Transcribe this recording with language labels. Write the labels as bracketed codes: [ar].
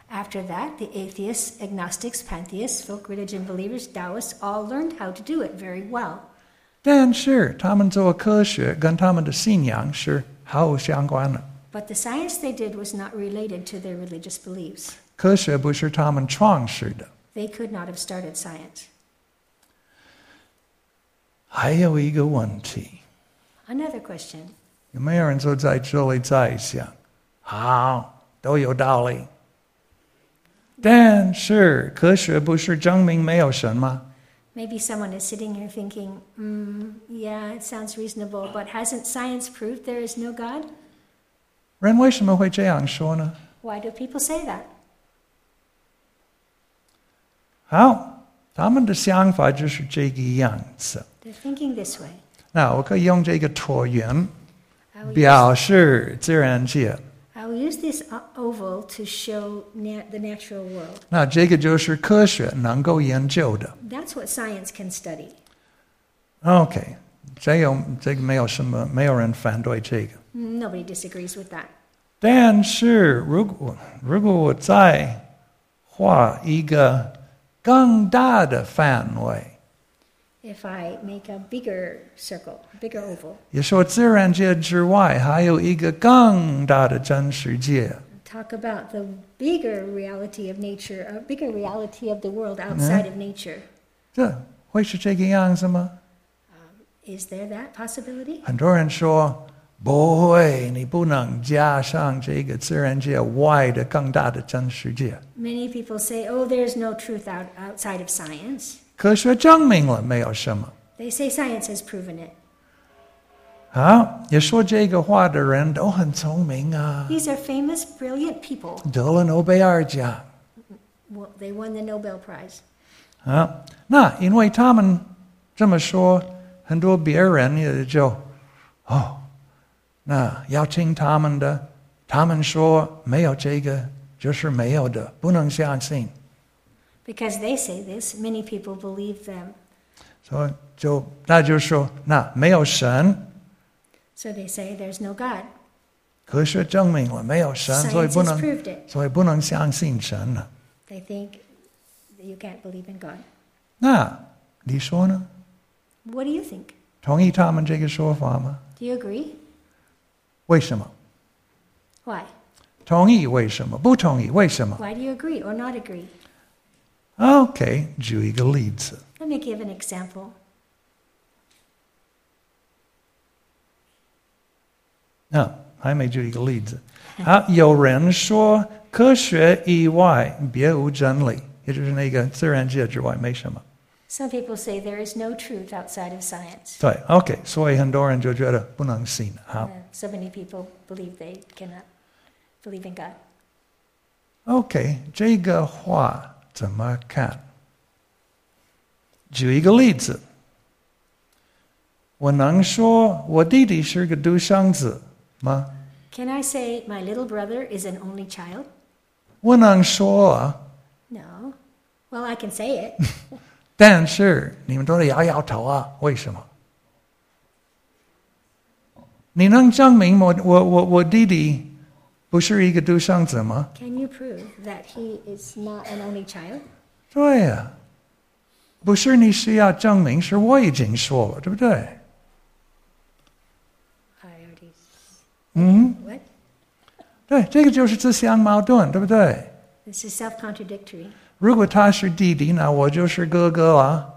[en] After that, the atheists, agnostics, pantheists, folk religion believers, Taoists all learned how to do it very well. [zh] 但是他们做科学跟他们的信仰是毫无相关的。 [en] But the science they did was not related to their religious beliefs. [zh] 科学不是他们创始的。 [en] They could not have started science. [zh] 还有一个问题。 [en] Another question. [zh] 有没有人坐在这里在想，好，都有道理。但是科学不是证明没有神吗？ [en] Maybe someone is sitting here thinking, yeah, it sounds reasonable, but hasn't science proved there is no God? [zh] 人为什么会这样说呢? [en] Why do people say that? [zh] 好，他们的想法就是这个样子。 [en] They're thinking this way. [zh] 那我可以用这个椭圆表示自然界。 [en] I will use this oval to show the natural world. [zh] 那这个就是科学能够研究的。 [en] That's what science can study. [zh] Okay, 这个没有什么，没有人反对这个。 [en] Nobody disagrees with that. [zh] 但是如果我再画一个更大的范围。 [en] If I make a bigger circle, bigger oval. [zh] 也说自然界之外还有一个更大的真实界。 [en] Talk about the bigger reality of nature, a bigger reality of the world outside of nature. [zh] 这会是这个样子吗？ [en] Is there that possibility? [zh] 很多人说，不会，你不能加上这个自然界外的更大的真实界。 [en] Many people say, oh, there's no truth outside of science. [zh] 科学证明了没有什么。 [en] They say science has proven it. [zh] 好，也说这个话的人都很聪明啊。 [en] These are famous, brilliant people. [zh] 得了诺贝尔奖。 [en] Well, they won the Nobel Prize. [zh] 好，那因为他们这么说，很多别人也就，哦，那要听他们的，他们说没有这个就是没有的，不能相信。 [en] Because they say this, many people believe them. [zh] So, 那就说，那没有神。 [en] So they say there's no God. [zh] 科学证明了没有神，所以不能，所以不能相信神了。 [en] They think that you can't believe in God. [zh] 那你说呢？ [en] What do you think? [zh] 同意他们这个说法吗？ [en] Do you agree? [zh] 为什么？ [en] Why? [zh] 同意为什么？不同意为什么？ [en] Why do you agree or not agree? [zh] Okay, 举一个例子。 [en] Let me give an example. [zh] 那、还没举一个例子。好，有人说科学以外别无真理，也就是那个自然界之外没什么。 [en] Some people say there is no truth outside of science. [zh] 对 ，Okay， 所以很多人就觉得不能信。好 [en] ，So many people believe they cannot believe in God. [zh] Okay， 这个话。怎么看？举一个例子，我能说我弟弟是个独生子吗 [en] Can I say my little brother is an only child? [zh] 不能说。 [en] No. Well, I can say it. [zh] 但是你们都得摇摇头啊，为什么？你能证明 我弟弟不是一个独生子吗？ [en] Can you prove that he is not an only child? [zh] 对啊，不是你需要证明，是我已经说了，对不对？ [en] I already said. [zh] 对，这个就是自相矛盾，对不对？ [en] This is self-contradictory. [zh] 如果他是弟弟，那我就是哥哥啊。